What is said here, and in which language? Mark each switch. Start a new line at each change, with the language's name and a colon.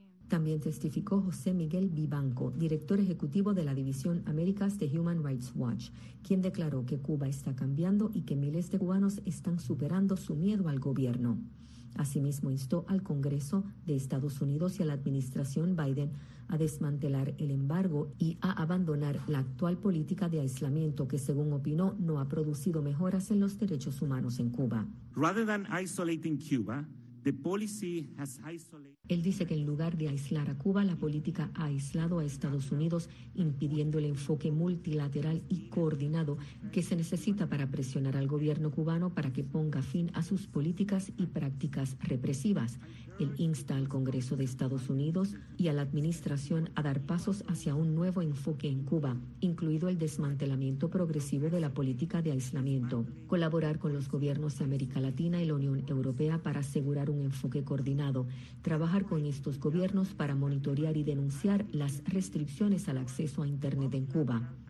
Spanish: También testificó José Miguel Vivanco, director ejecutivo de la División Américas de Human Rights Watch, quien declaró que Cuba está cambiando y que miles de cubanos están superando su miedo al gobierno. Asimismo, instó al Congreso de Estados Unidos y a la administración Biden a desmantelar el embargo y a abandonar la actual política de aislamiento que, según opinó, no ha producido mejoras en los derechos humanos en Cuba.
English: Rather than isolating Cuba, the policy has isolated...
Spanish: Él dice que en lugar de aislar a Cuba, la política ha aislado a Estados Unidos, impidiendo el enfoque multilateral y coordinado que se necesita para presionar al gobierno cubano para que ponga fin a sus políticas y prácticas represivas. Él insta al Congreso de Estados Unidos y a la administración a dar pasos hacia un nuevo enfoque en Cuba, incluido el desmantelamiento progresivo de la política de aislamiento, colaborar con los gobiernos de América Latina y la Unión Europea para asegurar un enfoque coordinado, trabajar con estos gobiernos para monitorear y denunciar las restricciones al acceso a Internet en Cuba.